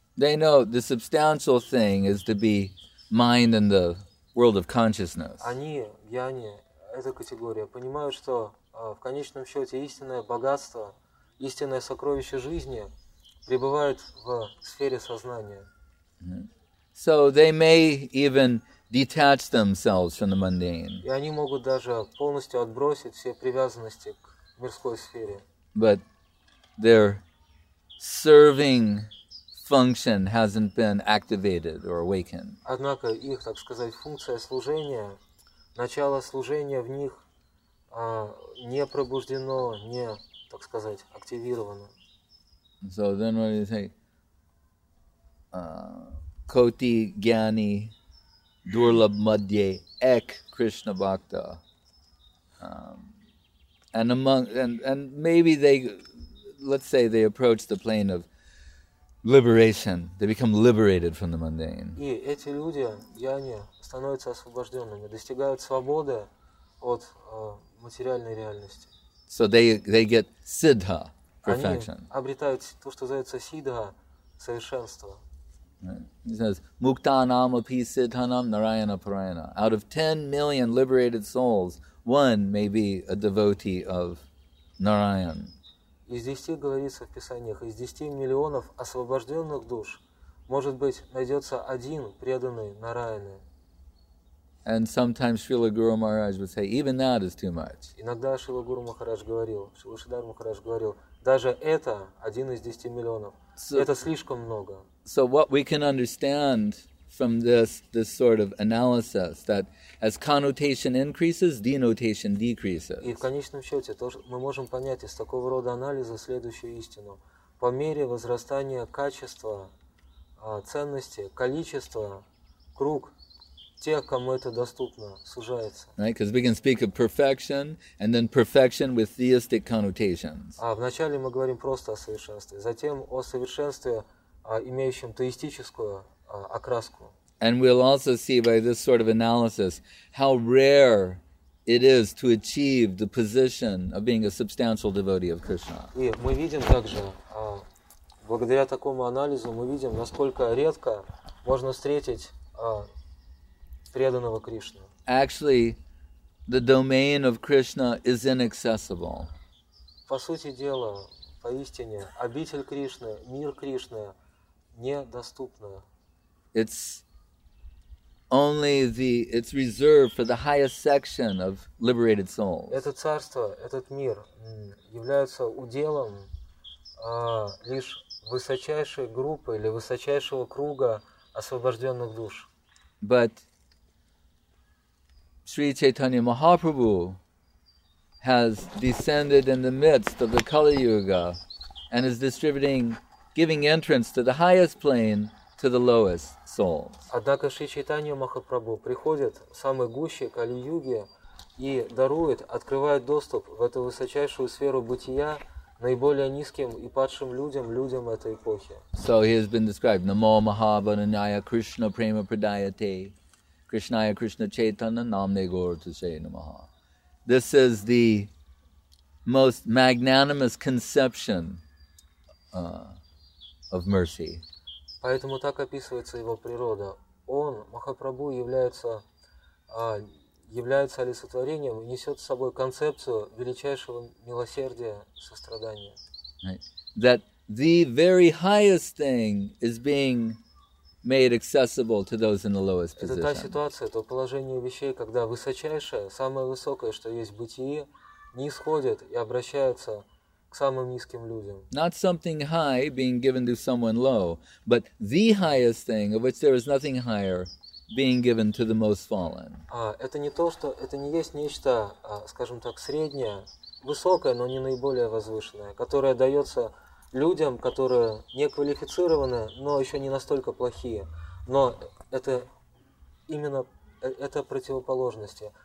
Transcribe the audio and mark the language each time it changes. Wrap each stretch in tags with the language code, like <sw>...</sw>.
<en>They know the substantial thing is to be mind in the world of consciousness.</en> <ru>Они, джняни, эта категория, понимают, что в конечном счете истинное богатство, истинное сокровище жизни пребывает в сфере сознания.</ru> <en>So they may even detach themselves from the mundane.</en> <ru>И они могут даже полностью отбросить все привязанности к мирской сфере.</ru> <en>But their serving function hasn't been activated or awakened.</en> <ru>Однако их, так сказать, функция служения, начало служения в них не пробуждено, не, так сказать, активировано.</ru> <en>So then what do you say?</en> <bn>Koti jnani durlabh madhye ek Krishna bhakta.</bn> <en>And maybe they, let's say they approach the plane of liberation. They become liberated from the mundane.</en> <ru>И эти люди, джняни, становятся освобожденными, достигают свободы от материальной реальности.</ru> <en>So they get siddha, perfection.</en> <ru>Они обретают то, что называется сиддха, совершенство.</ru> <en>Right. He says,</en> <sa>"Muktanam api siddhanam narayana parayana."</sa> <en>Out of 10 million liberated souls, one may be a devotee of Narayan.</en> <ru>Из 10 говорится в писаниях, из 10 миллионов освобожденных душ, может быть, найдется один преданный Нараяне.</ru> <en>And sometimes Srila Guru Maharaj would say, even that is too much.</en> <ru>Иногда Шрила Гуру Махарадж говорил, Шрила Шридхар Махарадж говорил, даже это один из 10 миллионов. So, это слишком много.</ru> <en>So what we can understand from this sort of analysis that as connotation increases, denotation decreases.</en> <ru>И в конечном счете то, что мы можем понять из такого рода анализа следующую истину. По мере возрастания качества, ценности, количества, круг тех, кому это доступно, сужается.</ru> <en>Right, because we can speak of perfection and then perfection with theistic connotations.</en> <ru>А вначале мы говорим просто о совершенстве, затем о совершенстве, имеющем теистическую окраску.</ru> <en>And we'll also see by this sort of analysis how rare it is to achieve the position of being a substantial devotee of Krishna.</en> <ru>И мы видим также, благодаря такому анализу, мы видим, насколько редко можно встретить преданного Кришны.</ru> <en>Actually, the domain of Krishna is inaccessible.</en> <ru>По сути дела, поистине, обитель Кришны, мир Кришны недоступны.</ru> <en>It's only the it's reserved for the highest section of liberated souls.</en> <ru>Это царство, этот мир является уделом лишь высочайшей группы или высочайшего круга освобожденных душ.</ru> <en>But Sri Chaitanya Mahaprabhu has descended in the midst of the Kali Yuga and is distributing, giving entrance to the highest plane to the lowest souls.</en> <ru>Однако Шри Чайтанья Махапрабху приходит в самой гуще Кали-Юги и дарует, открывает доступ в эту высочайшую сферу бытия наиболее низким и падшим людям, людям этой эпохи.</ru> <en>So he has been described</en> <sa>Namo Mahabhananaya Krishna Prema Pradayate Krishnaya Krishna Chaitanya Namne Gaur Tushay Namaha.</sa> <en>This is the most magnanimous conception of mercy.</en> <ru>Поэтому так описывается его природа. Он, Махапрабху, является олицетворением и несет с собой концепцию величайшего милосердия, сострадания.</ru> <en>Right. That the very highest thing is being made accessible to those in the lowest position.</en> <ru>Это та ситуация, то положение вещей, когда высочайшее, самое высокое, что есть в бытии, нисходит и обращается к самым низким людям.</ru> <en>Not something high being given to someone low, but the highest thing, of which there is nothing higher, being given to the most fallen.</en> <ru>Это не то, что это не есть нечто, скажем так, среднее, высокое, но не наиболее возвышенное, которое дается людям, которые не квалифицированы, но еще не настолько плохие. Но это именно это противоположности.</ru>